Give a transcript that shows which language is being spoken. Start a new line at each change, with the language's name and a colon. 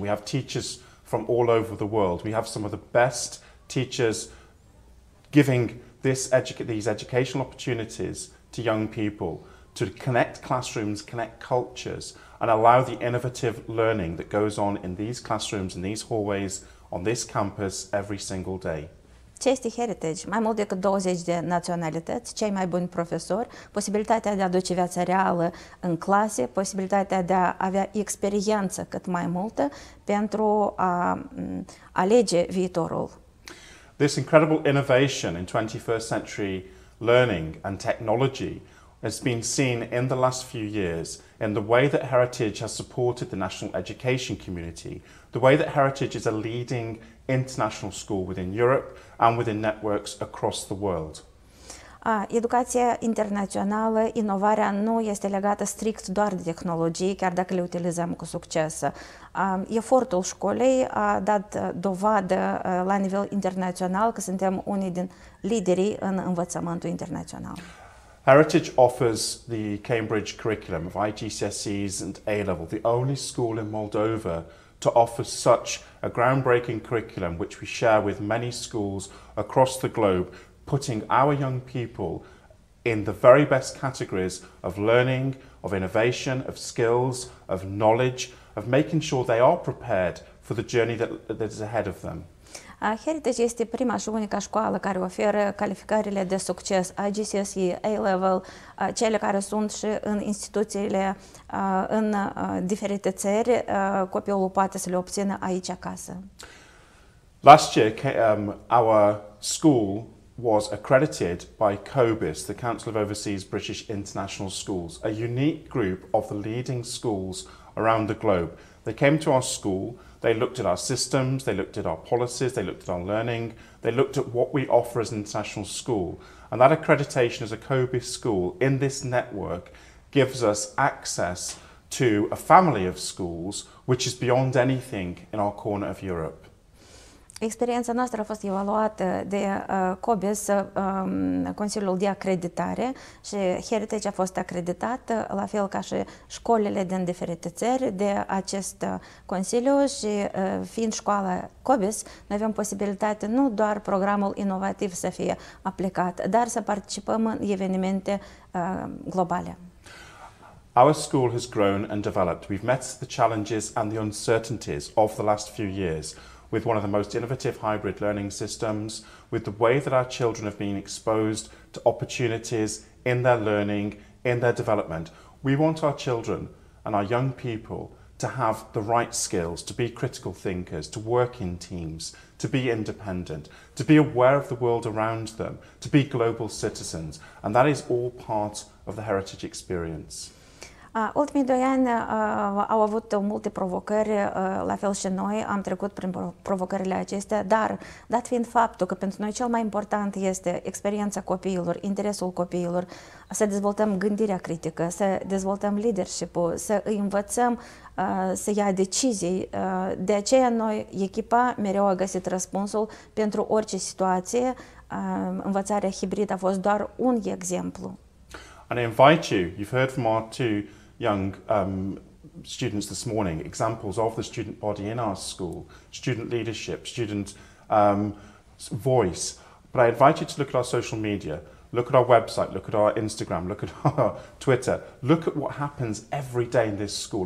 English: We have teachers from all over the world. We have some of the best teachers giving these educational opportunities to young people to connect classrooms, connect cultures, and allow the innovative learning that goes on in these classrooms, in these hallways, on this campus every single day.
Romanian: Ce este Heritage? Mai mult decât 20 de naționalități, cei mai buni profesori, posibilitatea de a duce viața reală în clase, posibilitatea de a avea experiență cât mai multă pentru a alege viitorul.
English: This incredible innovation in 21st century learning and technology has been seen in the last few years in the way that Heritage has supported the national education community, the way that Heritage is a leading international school within Europe and within networks across the world.
Romanian: Educația internațională, inovarea nu este legată strict doar de tehnologie, chiar dacă le utilizăm cu succes. Efortul școlii a dat dovadă la nivel internațional că suntem unii din liderii în învățământul internațional.
English: Heritage offers the Cambridge curriculum of IGCSEs and A-level, the only school in Moldova to offer such a groundbreaking curriculum which we share with many schools across the globe, putting our young people in the very best categories of learning, of innovation, of skills, of knowledge, of making sure they are prepared for the journey that is ahead of them.
Romanian: Heritage este prima și unica școală care oferă calificările de succes, IGCSE, A-level, cele care sunt și în instituțiile în diferite țări, copilul poate să le obțină aici acasă.
English: Last year, our school was accredited by COBIS, the Council of Overseas British International Schools, a unique group of the leading schools around the globe. They came to our school. They looked at our systems, they looked at our policies, they looked at our learning, they looked at what we offer as an international school. And that accreditation as a COBIS school in this network gives us access to a family of schools which is beyond anything in our corner of Europe.
Romanian: Experiența noastră a fost evaluată de COBIS, Consiliul de Acreditare, și Heritage a fost acreditată, la fel ca și școlile din diferite țări, de acest Consiliu, și fiind școala COBIS, noi avem posibilitate nu doar programul inovativ să fie aplicat, dar să participăm în evenimente globale.
English: Our school has grown and developed. We've met the challenges and the uncertainties of the last few years, with one of the most innovative hybrid learning systems, with the way that our children have been exposed to opportunities in their learning, in their development. We want our children and our young people to have the right skills, to be critical thinkers, to work in teams, to be independent, to be aware of the world around them, to be global citizens. And that is all part of the heritage experience.
Romanian: Ultimii doi ani au avut multe provocări, la fel și noi am trecut prin provocările acestea, dar dat fiind faptul că pentru noi cel mai important este experiența copiilor, interesul copiilor, să dezvoltăm gândirea critică, să dezvoltăm leadership-ul, să îi învățăm să ia decizii, de aceea noi, echipa, mereu a găsit răspunsul pentru orice situație. Învățarea hibrid a fost doar un exemplu.
English: And I invite you, you've heard from our two young students this morning, examples of the student body in our school, student leadership, student voice. But I invite you to look at our social media, look at our website, look at our Instagram, look at our Twitter, look at what happens every day in this school.